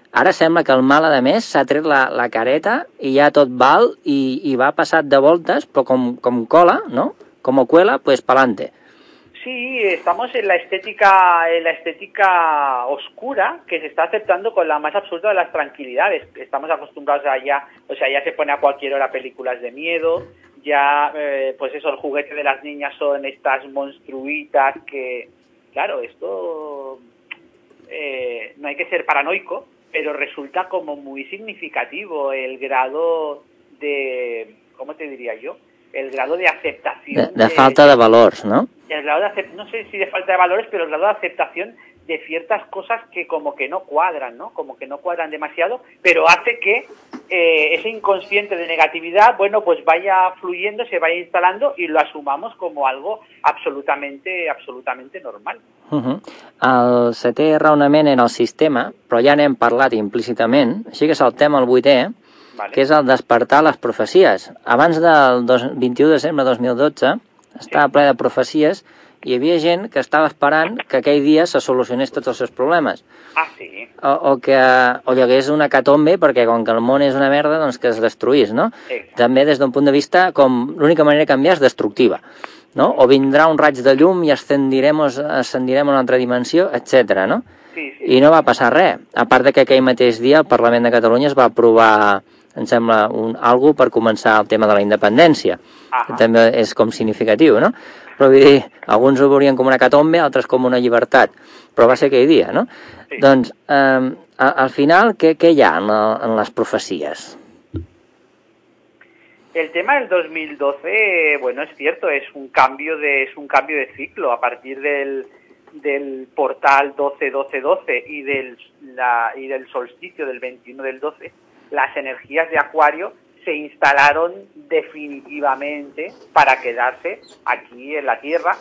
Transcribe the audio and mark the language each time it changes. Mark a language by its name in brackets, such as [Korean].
[Catalan] Ara sembla que el mal, a més, s'ha tret la careta i ja tot val i va passat de voltes, però com cola, no? [Spanish] Como cuela, pues pa'lante. Sí, estamos en la estética oscura que se está aceptando con la más absoluta de las tranquilidades. Estamos acostumbrados a ya, o sea, ya se pone a cualquier hora películas de miedo, ya, pues eso, el juguete de las niñas son estas monstruitas que, claro, esto no hay que ser paranoico, pero resulta como muy significativo el grado de, ¿cómo te diría yo? el grado de aceptación... De falta de valores, ¿no? El grado de no sé si de falta de valores, pero el grado de aceptación de ciertas cosas que como que no cuadran, ¿no? Como que no cuadran demasiado, pero hace que ese inconsciente de negatividad, bueno, pues vaya fluyendo, se vaya instalando y lo asumamos como algo absolutamente, absolutamente normal. Uh-huh. [Catalan] El setè raonament en el sistema, però ja n'hem parlat implícitament, així que saltem al vuitè, vale, que és el despertar les profecies. Abans del 21 de desembre de 2012, estava, sí, ple de profecies, hi havia gent que estava esperant que aquell dia se solucionés tots els seus problemes. Ah, sí. O hi hagués una catombe, perquè com que el món és una merda, doncs que es destruís, no? Sí. També des d'un punt de vista com l'única manera de canviar és destructiva, no? O vindrà un raig de llum i ascendirem a una altra dimensió, etc. No? Sí, sí. I no va passar res. A part de que aquell mateix dia el Parlament de Catalunya es va aprovar, em sembla, algú per començar el tema de la independència. Ah. També és com significatiu, no? Però vull dir, alguns ho veurien com una catombe, altres com una llibertat. Però va ser aquell dia, no? Sí. Doncs, al final, què hi ha en les profecies? [Spanish] El tema del 2012, bueno, es cierto, es un cambio de ciclo. A partir del portal 12-12-12 y del solsticio del 21 del 12, las energías de Acuario se instalaron definitivamente para quedarse aquí en la Tierra.